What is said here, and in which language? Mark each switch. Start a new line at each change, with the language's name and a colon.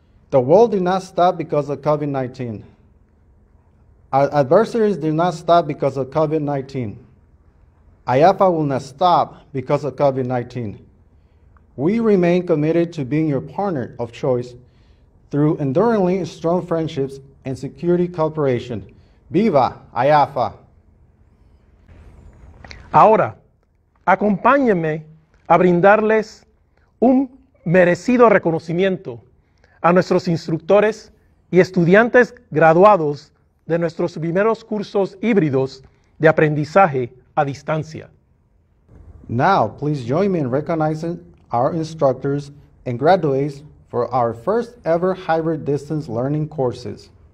English: The world did not stop because of COVID-19. Our adversaries did not stop because of COVID-19. IAFA will not stop because of COVID-19. We remain committed to being your partner of choice through enduringly strong friendships and security cooperation.
Spanish: ¡Viva IAFA! Ahora, acompáñenme a brindarles un merecido reconocimiento a nuestros instructores y estudiantes graduados de nuestros primeros cursos híbridos de aprendizaje a distancia.
English: Now, please join me in recognizing our instructors and graduates for our first ever hybrid distance learning courses.